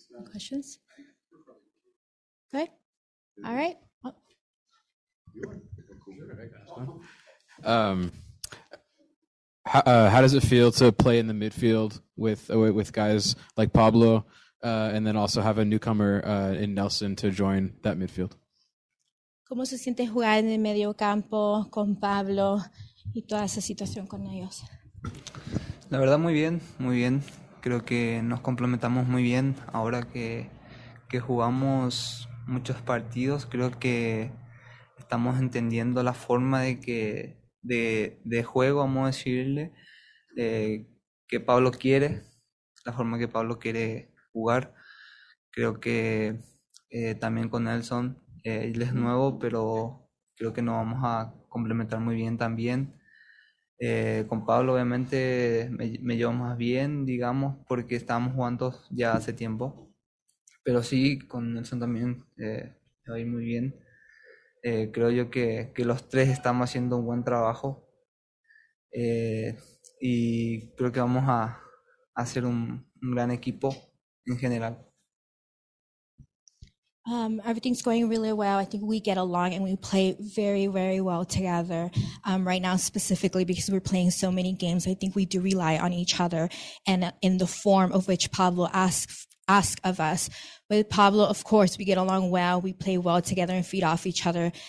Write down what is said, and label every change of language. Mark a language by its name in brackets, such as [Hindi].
[English] Questions? Good. All right. How does it feel to play in the midfield with guys like Pablo, and then also have a newcomer in Nelson to join that midfield? [Spanish] ¿Cómo se siente jugar en el medio campo con Pablo y toda esa situación con ellos? La verdad, muy bien, muy bien. Creo que nos complementamos muy bien. Ahora que jugamos muchos partidos, creo que estamos entendiendo la forma de que de juego, vamos a decirle, que Pablo quiere, la forma que Pablo quiere jugar. Creo que también con Nelson, él es nuevo, pero creo que nos vamos a complementar muy bien también. Con Pablo obviamente me llevo más bien, digamos, porque estábamos jugando ya hace tiempo. Pero sí, con Nelson también me va a ir muy bien. Creo yo que los tres estamos haciendo un buen trabajo, y creo que vamos a hacer un gran equipo en general. [English] Everything's going really well. I think we get along and we play very, very well together right now, specifically because we're playing so many games. I think we do rely on each other and in the form of which Pablo ask of us. With Pablo, of course, we get along well, we play well together and feed off each other.